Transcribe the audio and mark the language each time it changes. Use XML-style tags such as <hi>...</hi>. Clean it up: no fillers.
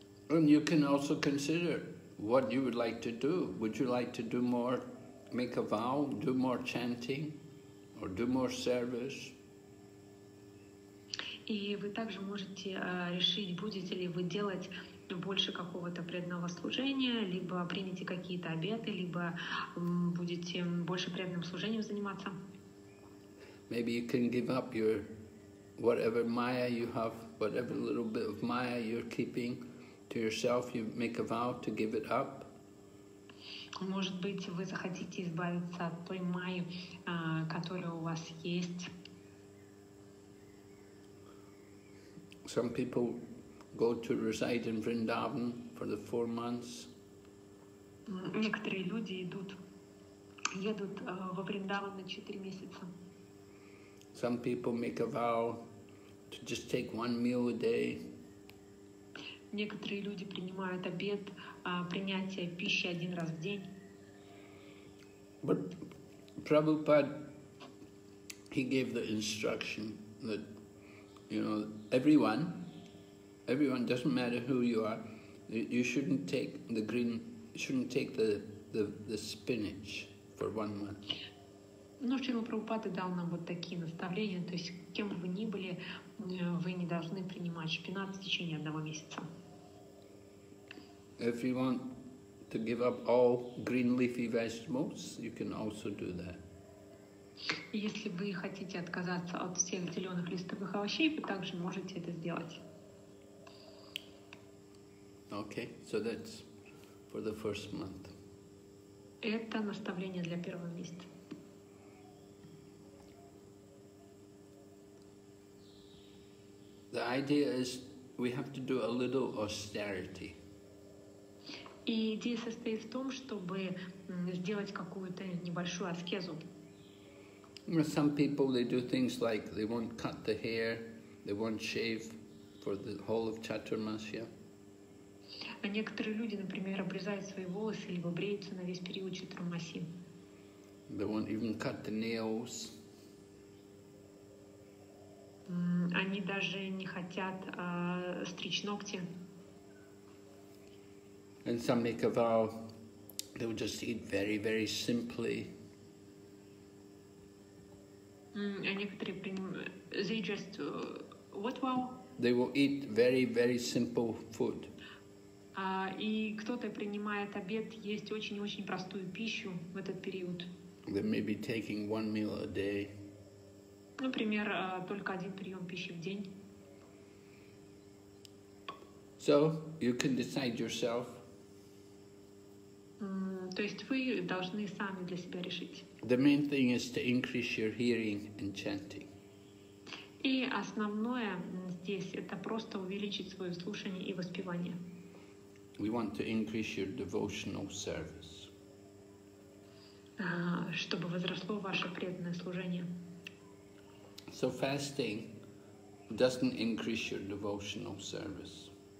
<en>And you can also consider what you would like to do. Would you like to do more, make a vow, do more chanting, or do more service?</en> <ru>И вы также можете решить, будете ли вы делать больше какого-то преданного служения, либо примете какие-то обеты, либо будете больше преданным служением заниматься.</ru> <en>Maybe you can give up your whatever maya you have, whatever little bit of maya you're keeping to yourself, you make a vow to give it up.</en> <ru>Может быть, вы захотите избавиться от той майи, которая у вас есть.</ru> <en>Some people go to reside in Vrindavan for the 4 months.</en> <ru>Некоторые люди едут во Вриндаван на 4 месяца.</ru> <en>Some people make a vow to just take 1 meal a day.</en> <ru>Некоторые люди принимают обет принятия пищи 1 раз в день.</ru> <en>But Prabhupada, he gave the instruction that, you know, everyone, doesn't matter who you are, you shouldn't take the green, shouldn't take the spinach for 1 month.</en> <ru>Ну, Шрила Прабхупада дал нам вот такие наставления, то есть, кем бы вы ни были, вы не должны принимать шпинат в течение 1 месяца.</ru> <en>If you want to give up all green leafy vegetables, you can also do that.</en> <ru>Если вы хотите отказаться от всех зеленых листовых овощей, вы также можете это сделать.</ru> <en>Okay, so that's for the first month.</en> <ru>Это наставление для 1 месяца.</ru> <en>The idea is we have to do a little austerity.</en> <ru>И идея состоит в том, чтобы сделать какую-то небольшую аскезу.</ru> <en>Some people they do things like they won't cut the hair, they won't shave for the whole of Chaturmasya.</en> <ru>Некоторые люди, например, обрезают свои волосы либо бреются на весь период Чатурмаси.</ru> <en>They won't even cut the nails.</en> <ru>Они даже не хотят стричь ногти.</ru> <en>And some make a vow, they will just eat very, very simply.</en> <ru>Некоторые</ru> <en>they just what vow? They will eat very, very simple food.</en> <ru>И кто-то принимает обед есть очень-очень простую пищу в этот период.</ru> <en>They may be taking 1 meal a day.</en> <ru>Например, только 1 прием пищи в день.</ru> <en>So you can decide yourself.</en> <ru>То есть вы должны сами для себя решить.</ru> <en>The main thing is to increase your hearing and chanting.</en> <ru>И основное здесь это просто увеличить свое слушание и воспевание.</ru> <en>We want to increase your devotional service.</en> <ru>Чтобы возросло ваше преданное служение.</ru> <en>So fasting doesn't increase your devotional service.</en>